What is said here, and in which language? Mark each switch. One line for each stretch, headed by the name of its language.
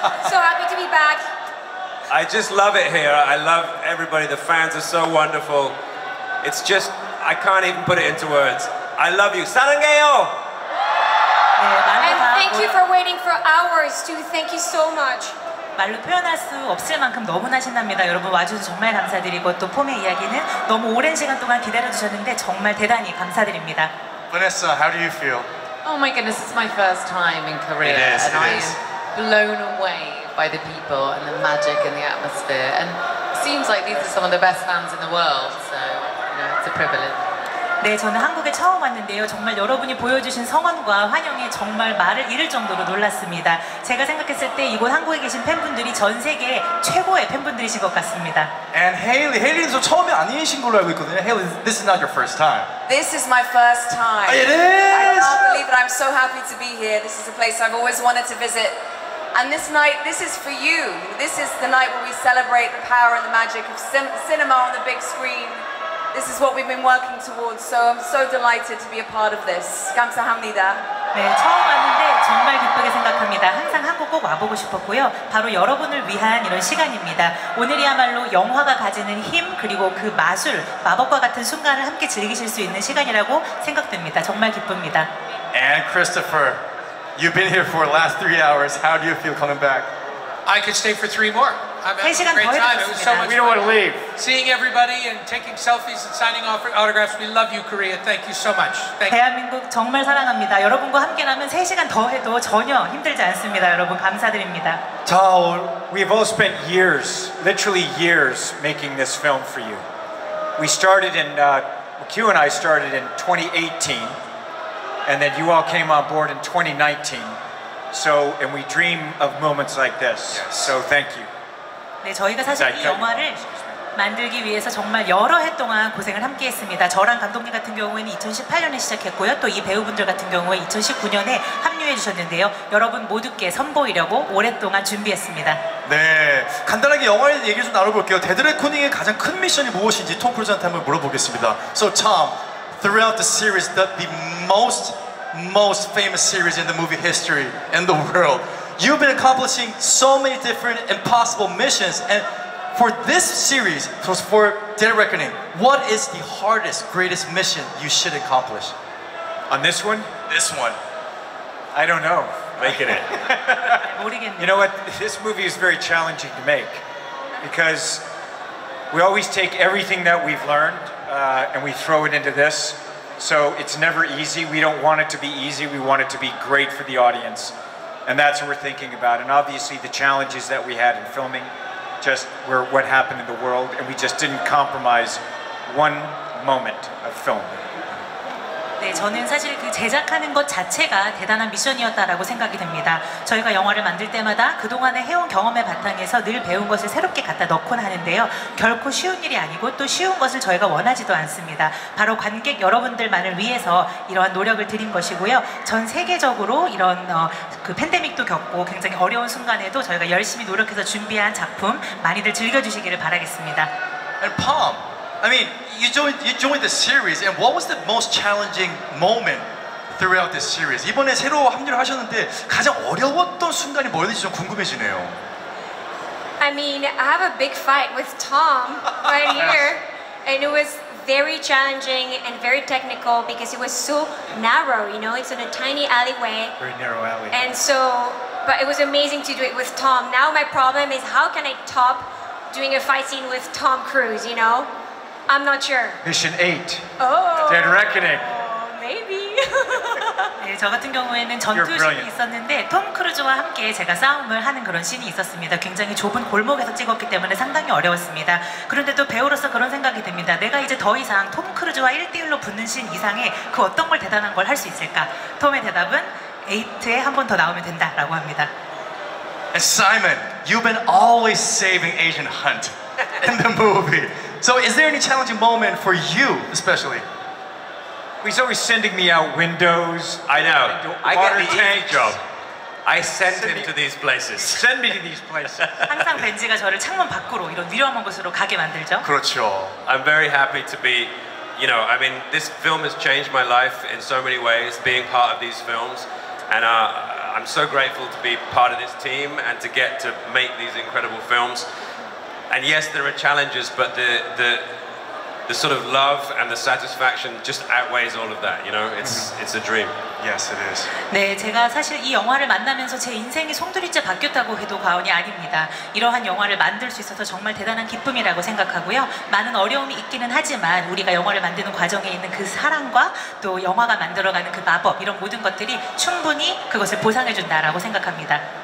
English: So happy to be back. I just love it here. I love everybody. The fans are so wonderful. It's just, I can't even put it into words. I love you.
Korean: 사랑해요.
English: And thank you for waiting for hours too. Thank you so much.
Korean: 말로 표현할 수 없을 만큼 너무나 신납니다. 여러분 와주셔서 정말 감사드리고 또 폼의 이야기는 너무 오랜 시간 동안 기다려주셨는데 정말 대단히 감사드립니다.
English: Vanessa, how do you feel? Oh my goodness, it's my first time in Korea. It is. I am blown away by the people and the magic and the atmosphere. And it seems like these are some of the best fans in the world. So, you know, it's a privilege.
Korean: 네, 저는 한국에 처음 왔는데요. 정말 여러분이 보여주신 성원과 환영에 정말 말을 잃을 정도로 놀랐습니다. 제가 생각했을 때 이곳 한국에 계신 팬분들이 전 세계 최고의 팬분들이신 것 같습니다.
English: And Haley,
Korean: Haley는 저 처음이 아니신 걸로 알고 있거든요.
English: Haley, this is not your first time. This is my first time. It is! I can't believe it. I'm so happy to be here. This is a place I've always wanted to visit. And this night, this is for you. This is the night where we celebrate the power and the magic of cinema on the big screen. This is what we've been working towards, so I'm so delighted to be a part of this.
Korean: 감사합니다. 네, 처음 왔는데 정말 기쁘게 생각합니다. 항상 한국 꼭 와보고 싶었고요. 바로 여러분을 위한 이런 시간입니다. 오늘이야말로 영화가 가지는 힘, 그리고 그 마술, 마법과 같은 순간을 함께 즐기실 수 있는 시간이라고 생각됩니다. 정말 기쁩니다.
English: And Christopher, you've been here for the last 3 hours. How do you feel coming back? I could stay for 3 more. I've had a great time. It was so much fun. We don't want to leave. Seeing everybody and taking selfies and signing autographs. We love you, Korea. Thank you so much. Thank you.
Korean: 대한민국 정말 사랑합니다. 여러분과 함께라면 3시간 더 해도 전혀 힘들지 않습니다. 여러분 감사드립니다.
English: 자, we've all spent years, literally years, making this film for you. We started in, Q and I started in 2018. And then you all came on board in 2019. So, and we dream of moments like this. So thank you.
Korean: 네, 저희가 사실 이 영화를 만들기 위해서 정말 여러 해 동안 고생을 함께 했습니다. 저랑 감독님 같은 경우에는 2018년에 시작했고요. 또 이 배우분들 같은 경우에 2019년에 합류해 주셨는데요. 여러분 모두께 선보이려고 오랫동안 준비했습니다. 네, 간단하게 영화에 얘기 좀 나눠볼게요. 데드레코닝의 가장 큰 미션이 무엇인지 톰 크루즈한테 한번 물어보겠습니다.
English: So Tom, throughout the series, the most famous series in the movie history in the world, you've been accomplishing so many different impossible missions, and for this series, for Dead Reckoning, what is the hardest, greatest mission you should accomplish? On this one? This one. I don't know. Making it. You know what? This movie is very challenging to make because we always take everything that we've learned and we throw it into this, so it's never easy. We don't want it to be easy. We want it to be great for the audience. And that's what we're thinking about. And obviously the challenges that we had in filming just were what happened in the world, and we just didn't compromise one moment of film.
Korean: 네, 저는 사실 그 제작하는 것 자체가 대단한 미션이었다라고 생각이 됩니다. 저희가 영화를 만들 때마다 그동안의 해온 경험의 바탕에서 늘 배운 것을 새롭게 갖다 넣곤 하는데요. 결코 쉬운 일이 아니고 또 쉬운 것을 저희가 원하지도 않습니다. 바로 관객 여러분들만을 위해서 이러한 노력을 드린 것이고요. 전 세계적으로 이런 그 팬데믹도 겪고 굉장히 어려운 순간에도 저희가 열심히 노력해서 준비한 작품 많이들 즐겨주시기를 바라겠습니다.
English: And Palm, I mean, you joined the series, and what was the most challenging moment throughout this series?
Korean: 이번에 새로 합류를 하셨는데 가장 어려웠던 순간이 뭐였는지 좀 궁금해지네요.
English: I mean, I have a big fight with Tom right here, and it was very challenging and very technical because it was so narrow, you know, it's in a tiny alleyway. Very narrow alley. And so, but it was amazing to do it with Tom. Now my problem is how can I top doing a fight scene with Tom Cruise, you know? I'm not sure. Mission 8. Oh. Dead Reckoning. Maybe.
Korean: 네, 저 같은 경우에는 전투신이 있었는데 톰 크루즈와 함께 제가 싸움을 하는 그런 신이 있었습니다. 굉장히 좁은 골목에서 찍었기 때문에 상당히 어려웠습니다. 그런데도 배우로서 그런 생각이 듭니다. 내가 이제 더 이상 톰 크루즈와 1대1로 붙는 신 이상에 그 어떤 걸 대단한 걸 할 수 있을까? 톰의 대답은 에이트에 한 번 더 나오면 된다라고 합니다.
English: And Simon, you've been always saving Agent Hunt in the movie. So is there any challenging moment for you especially? He's always sending me out windows. I know. I get the tank job. I send him to these places. Send me to these places.
Korean: 항상 벤지가 저를 창문 밖으로 이런 위험한 곳으로 가게 만들죠. 그렇죠.
English: I'm very happy to be, you know, I mean, this film has changed my life in so many ways, being part of these films. And I'm so grateful to be part of this team and to get to make these incredible films. And yes, there are challenges, but the sort of love and the satisfaction just outweighs all of that, you know? It's a dream. Yes, it is.
Korean: 네, 제가 사실 이 영화를 만나면서 제 인생이 송두리째 바뀌었다고 해도 과언이 아닙니다. 이러한 영화를 만들 수 있어서 정말 대단한 기쁨이라고 생각하고요. 많은 어려움이 있기는 하지만 우리가 영화를 만드는 과정에 있는 그 사랑과 또 영화가 만들어가는 그 마법 이런 모든 것들이 충분히 그것을 보상해준다라고 생각합니다.